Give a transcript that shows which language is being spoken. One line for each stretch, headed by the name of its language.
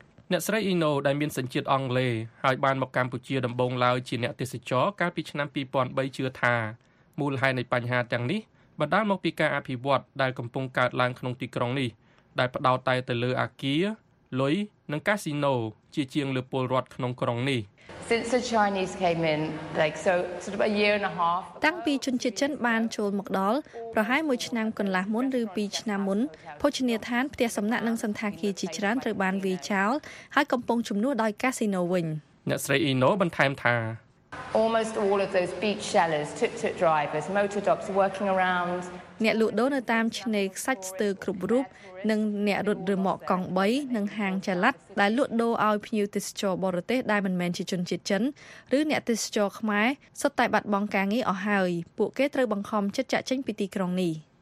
Khmer: អ្នកស្រីអ៊ីណូដែលមានសញ្ជាតិអង់គ្លេសហើយបានមកកម្ពុជាដំបូងឡើយជាអ្នកទេសចរកាលពីឆ្នាំ2003ជឿថាមូលហេតុនៃបញ្ហាទាំងនេះបណ្ដាលមកពីការអភិវឌ្ឍដែលកំពុងកើតឡើងក្នុងទីក្រុងនេះដែលផ្ដោតតែទៅលើអាគារលុយនិងកាស៊ីណូជាជាងលើពលរដ្ឋក្នុងក្រុងនេះ
English: Since the Chinese came in like so sort of a year and a half
Khmer: តាំងពីជនជាតិចិនបានចូលមកដល់ប្រហែល1ឆ្នាំកន្លះមុនឬ2ឆ្នាំមុនភោជនីយដ្ឋានផ្ទះសំណាក់និងសន្តាគារជាច្រើនត្រូវបានវាយចោលហើយកំពុងជំនួសដោយកាស៊ីណូវិញ អ្នកស្រីអ៊ីណូបន្ថែមថា
English: Almost all of those beach shellers, tuk-tuk drivers, motor dogs working around
Khmer: អ្នកលក់ដូរនៅតាមឆ្នេរខ្សាច់ស្ទើរគ្រប់រូបនិងអ្នករត់រមាក់កង់3និងហាងចល័តដែលលក់ដូរឲ្យភ្ញៀវទេសចរបរទេសដែលមិនមែនជាជនជាតិចិនឬអ្នកទេសចរខ្មែរសុទ្ធតែបាត់បង់ការងារអស់ហើយពួកគេត្រូវបង្ខំចិត្តចាក់ចេញពីទីក្រុងនេះ